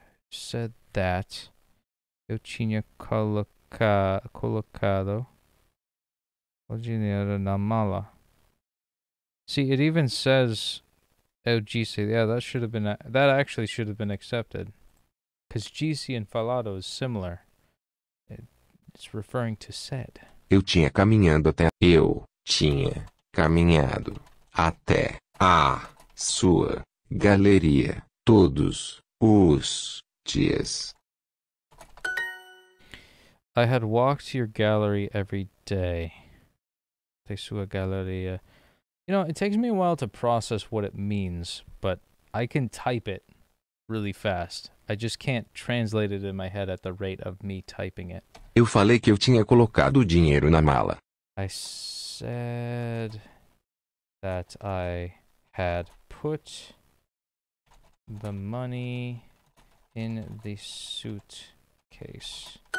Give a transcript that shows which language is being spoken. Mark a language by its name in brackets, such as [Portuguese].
[English] Said that [Portuguese] eu tinha colocado o dinheiro na mala. [English] See, it even says [Portuguese] eu disse. [English] Yeah, that should have been, that actually should have been accepted, because disse and falado is similar. It's referring to said. [Portuguese] Eu tinha caminhado até a sua galeria todos os dias. [English] I had walked to your gallery every day. [Portuguese] Te sua galeria. [English] You know, it takes me a while to process what it means, but I can type it really fast. I just can't translate it in my head at the rate of me typing it. [Portuguese] Eu falei que eu tinha colocado o dinheiro na mala. [English] I said that I had put the money in the suitcase.